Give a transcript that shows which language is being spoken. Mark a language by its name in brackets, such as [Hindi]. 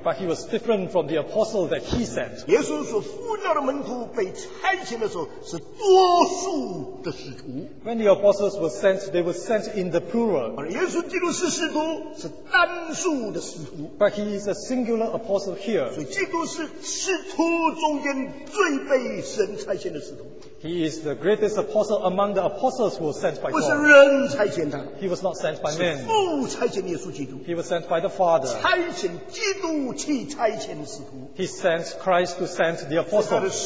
[English] But he was different from the apostle that he sent. [Chinese] 耶稣所呼召的门徒被差遣的时候是多数的使徒。 [English] When the apostles were sent, they were sent in the plural. [Chinese] 而耶稣基督是使徒，是单数的使徒。 [English] But he is a singular apostle here. [Chinese] 所以基督是使徒中间最被 [English] He is the greatest apostle among the apostles who were sent by God. [Chinese] 不是人差遣他, [English] he was not sent by men. He was sent by the Father. He sent Christ to send the apostle.